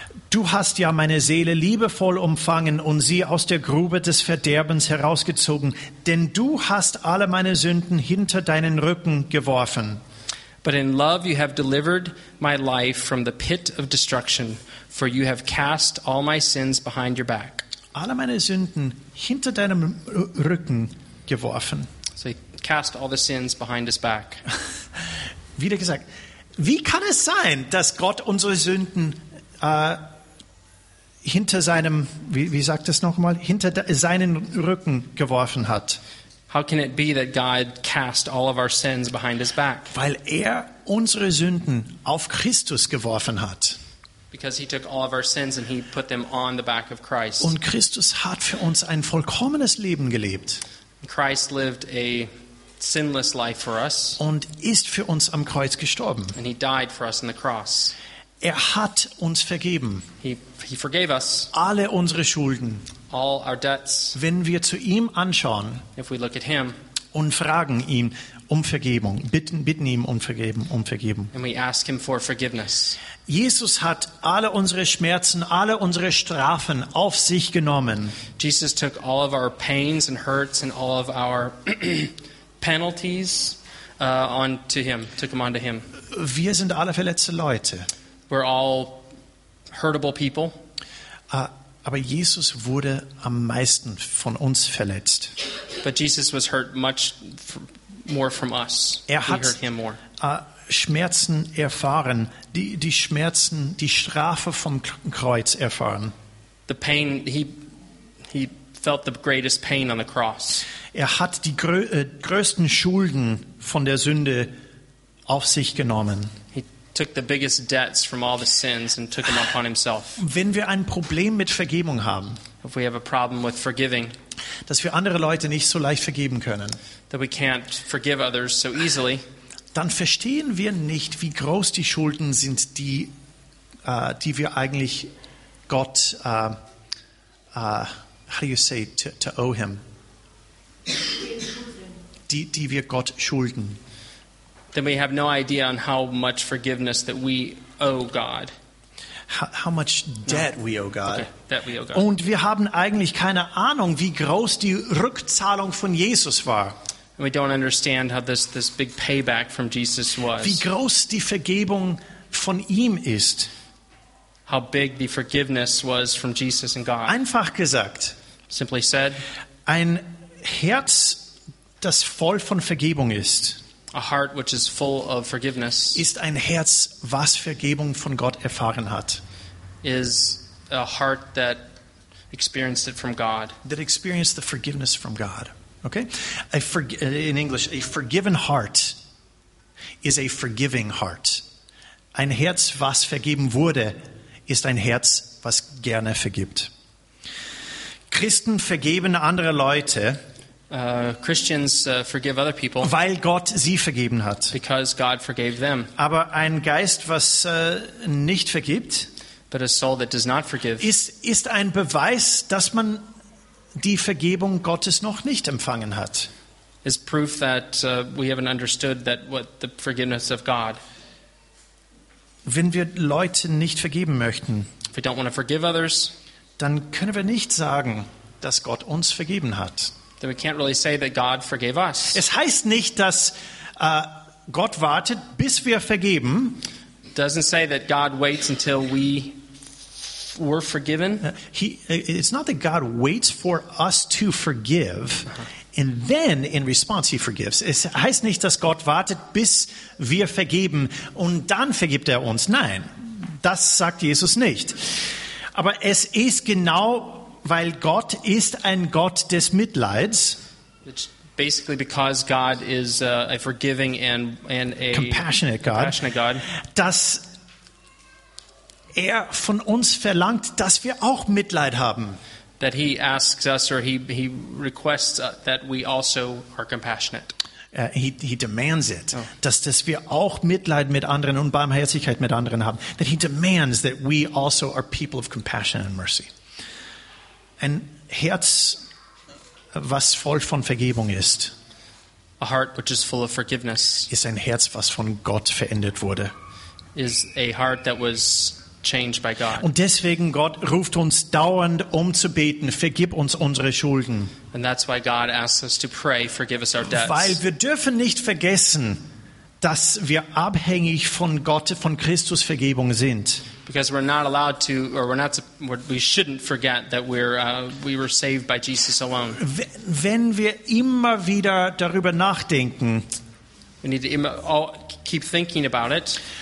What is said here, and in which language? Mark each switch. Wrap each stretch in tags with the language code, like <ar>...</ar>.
<de>Du hast ja meine Seele liebevoll umfangen und sie aus der Grube des Verderbens herausgezogen, denn du hast alle meine Sünden hinter deinen Rücken geworfen.</de> <en>But in love you have delivered my life from the pit of destruction, for you have cast all my sins behind your back.</en> <de>Alle meine Sünden hinter deinem Rücken geworfen.</de> <en>So he cast all the sins behind his back.</en> <de>Wieder gesagt. Wie kann es sein, dass Gott unsere Sünden hinter seinem, wie sagt es nochmal, hinter seinen Rücken geworfen hat?</de> <en>How can it be that God cast all of our sins behind his back?</en> <de>Weil er unsere Sünden auf Christus geworfen hat.</de> <en>Because he took all of our sins and he put them on the back of Christ.</en> <de>Und Christus hat für uns ein vollkommenes Leben gelebt.</de> <en>Christ lived a sinless life for us.</en> <de>Und ist für uns am Kreuz gestorben.</de> <en>And he died for us on the cross.</en> <de>Er hat uns vergeben.</de> <en>He forgave us.</en> <de>Alle unsere Schulden.</de> <en>All our debts.</en> <de>Wenn wir zu ihm anschauen.</de> <en>If we look at him.</en> <de>Und fragen ihn um Vergebung. Bitten ihn um Vergebung.</de> <en>And we ask him for forgiveness.</en> <de>Jesus hat alle unsere Schmerzen, alle unsere Strafen auf sich genommen.</de> <en>Jesus took all of our pains and hurts and all of our penalties took them onto him.</en> <de>Wir sind alle verletzte Leute.</de> <en>We're all hurtable people.</en> <de>Aber Jesus wurde am meisten von uns verletzt.</de> <en>But Jesus was hurt much more from us.</en> <de>Er hat Schmerzen erfahren, die Schmerzen, die Strafe vom Kreuz erfahren.</de> <en>The pain he felt the greatest pain on the cross.</en> <de>Er hat die größten Schulden von der Sünde auf sich genommen.</de> <en>He took the biggest debts from all the sins and took them upon himself.</en> <de>Wenn wir ein Problem mit Vergebung haben,</de> <en>if we have a problem with forgiving,</en> <de>dass wir andere Leute nicht so leicht vergeben können,</de> <en>that we can't forgive others so easily,</en> <de>dann verstehen wir nicht, wie groß die Schulden sind, die wir eigentlich Gott</de> <en>how do you say to owe him?</en> <de>Die wir Gott schulden.</de> <en>Then we have no idea on how much forgiveness that we owe God. How much debt we owe God. Okay, debt we owe God.</en> <de>Und wir haben eigentlich keine Ahnung, wie groß die Rückzahlung von Jesus war.</de> <en>And we don't understand how this big payback from Jesus was.</en> <de>Wie groß die Vergebung von ihm ist.</de> <en>How big the forgiveness was from Jesus and God.</en> <de>Einfach gesagt.</de> <en>Simply said.</en> <de>Ein Herz, das voll von Vergebung ist.</de> <en>A heart which is full of forgiveness.</en> <de>Ist ein Herz, was Vergebung von Gott erfahren hat.</de> <en>Is a heart that experienced it from God. That experienced the forgiveness from God. Okay? In English, a forgiven heart is a forgiving heart.</en> <de>Ein Herz, was vergeben wurde, ist ein Herz, was gerne vergibt. Christen vergeben andere Leute,</de> <en>Christians forgive other people,</en> <de>weil Gott sie vergeben hat.</de> <en>Because God forgave them.</en> <de>Aber ein Geist, was nicht vergibt,</de> <en>But a soul that does not forgive</en> <de>ist ein Beweis, dass man die Vergebung Gottes noch nicht empfangen hat.</de> <en>Is proof that we haven't understood that what the forgiveness of God.</en> <de>Wenn wir Leuten nicht vergeben möchten,</de> <en>if we don't want to forgive others,</en> <de>dann können wir nicht sagen, dass Gott uns vergeben hat.</de> <en>Then we can't really say that God forgave us.</en> <de>Es heißt nicht, dass Gott wartet, bis wir vergeben.</de> <en>Doesn't say that God waits until we were forgiven. It's not that God waits for us to forgive, and then in response he forgives.</en> <de>Es heißt nicht, dass Gott wartet, bis wir vergeben und dann vergibt uns. Nein, das sagt Jesus nicht. Aber es ist genau, weil Gott ist ein Gott des Mitleids.</de> <en>It's basically because God is a forgiving and a compassionate God.</en> <de>Dass er von uns verlangt, dass wir auch Mitleid haben.</de> <en>That he asks us or he requests that we also are compassionate. He demands it. Oh.</en> <de>Dass wir auch Mitleid mit anderen und Barmherzigkeit mit anderen haben.</de> <en>That he demands that we also are people of compassion and mercy.</en> <de>Ein Herz, was voll von Vergebung ist,</de> <en>a heart which is full of forgiveness,</en> <de>ist ein Herz, was von Gott verändert wurde.</de> <en>Is a heart that was changed by God.</en> <de>Und deswegen Gott ruft uns dauernd umzubeten, vergib uns unsere Schulden.</de> <en>And that's why God asks us to pray, forgive us our debts.</en> <de>Weil wir dürfen nicht vergessen, dass wir abhängig von Gott, von Christus Vergebung sind.</de> <en>Because we're not allowed to, or we're not, we shouldn't forget that we were saved by Jesus alone.</en> <de>Wenn wir immer wieder darüber nachdenken,</de> <en>we need to immer keep thinking about it,</en>